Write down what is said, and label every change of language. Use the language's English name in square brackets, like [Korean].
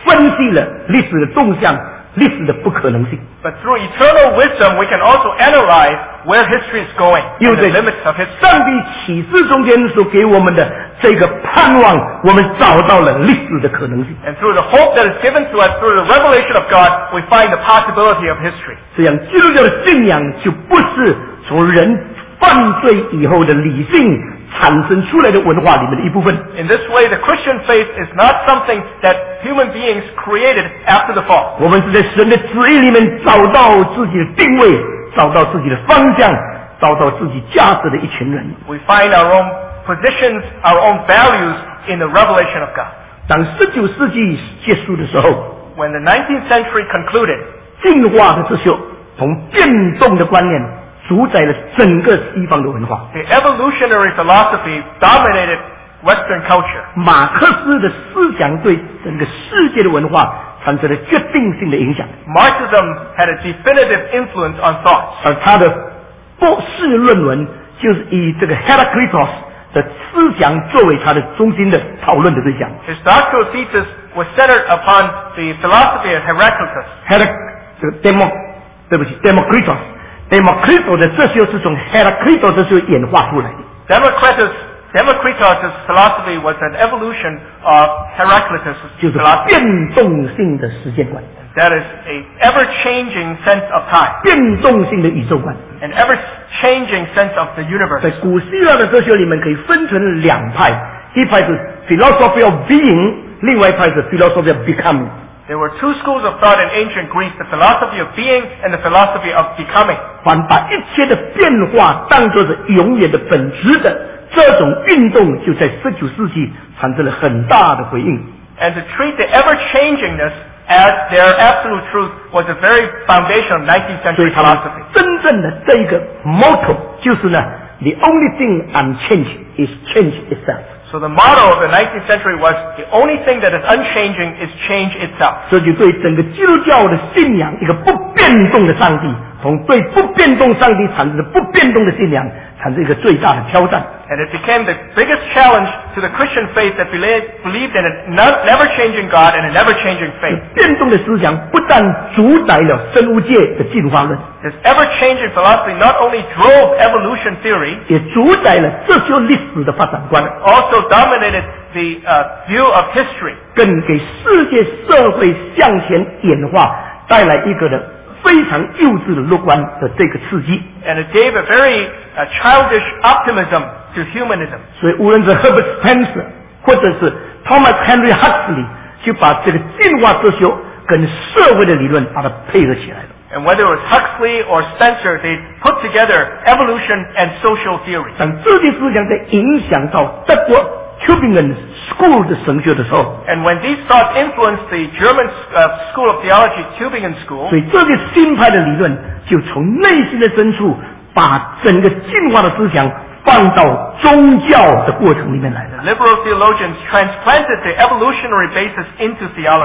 [Chinese] 我们更透过永恒的智慧分析了历史的动向，历史的不可能性。 [English] But through eternal wisdom, we can also analyze where history is going, the limits of history. [Chinese] 上帝启示中间所给我们的这个盼望，我们找到了历史的可能性。 [English] And through the hope that is given to us through the revelation of God, we find the possibility of history. [Chinese] 这样基督教的信仰就不是从人 犯罪以后的理性产生出来的文化里面的一部分。 [English] In this way, the Christian faith is not something that human beings created after the fall. [Chinese] 我们是在神的旨意里面找到自己的定位，找到自己的方向，找到自己价值的一群人。 [English] We find our own positions, our own values in the revelation of God. [Chinese] 当十九世纪结束的时候 [English] ，When the 19th century concluded, [Chinese] 进化的秩序从变动的观念。主宰了整个西方的文化。 [English] The evolutionary philosophy dominated Western culture. [Chinese] 马克思的思想对整个世界的文化产生了决定性的影响。 [English] Marxism had a definitive influence on thought. [Chinese] 而他的博士论文就是以这个 Heraclitus 的思想作为他的中心的讨论的对象。 [English] His doctoral thesis was centered upon the philosophy of Heraclitus. Democritus. [Chinese] Democritus 的哲学是从 Heraclitus 哲学演化出来的。 [English] Democritus' philosophy was an evolution of Heraclitus' philosophy. [Chinese] 就是变动性的时间观。 [English] That is an ever-changing sense of time. [Chinese] 变动性的宇宙观。 [English] An ever-changing sense of the universe. [Chinese] 在古希腊的哲学里面可以分成两派，一派是 [English] philosophy of being， [Chinese] 另外一派是 [English] philosophy of becoming。 There were two schools of thought in ancient Greece, the philosophy of being and the philosophy of becoming. [Chinese] 凡把一切的变化当作是永远的本质的这种运动就在十九世纪产生了很大的回应。 [English] And to treat the ever-changingness as their absolute truth was a very foundational 19th century philosophy. [Chinese] 真正的这一个 [English] motto [Chinese] 就是呢 [English] the only thing unchanging is change itself. So the motto of the 19th century was the only thing that is unchanging is change itself. [Chinese] 这就对整个基督教的信仰一个不变动的上帝从对不变动上帝产生的不变动的信仰产生一个最大的挑战。 [English] And it became the biggest challenge to the Christian faith that believed in a never-changing God and a never-changing faith. [Chinese] 变动的思想不但主宰了生物界的进化论。 [English] This ever-changing philosophy not only drove evolution theory, [Chinese] 也主宰了哲学历史的发展观。 [English] It also dominated the view of history. [Chinese] 更给世界社会向前演化带来一个的非常幼稚的乐观的这个刺激。 [English] And it gave a very childish optimism to humanism. [Chinese] 所以无论是 Herbert Spencer, 或者是 Thomas Henry Huxley, 就把这个进化哲学跟社会的理论把它配合起来了。 [English] And whether it was Huxley or Spencer, they put together evolution and social theory. [Chinese] 当这些思想在影响到德国 Tübingen School 的神学的时候 [English] ，And when these thoughts influenced the German school of theology, Tübingen School, [Chinese] 所以这个新派的理论就从内心的深处把整个进化的思想放到宗教的过程里面来了。 [English] Liberal theologians transplanted the evolutionary basis into theology.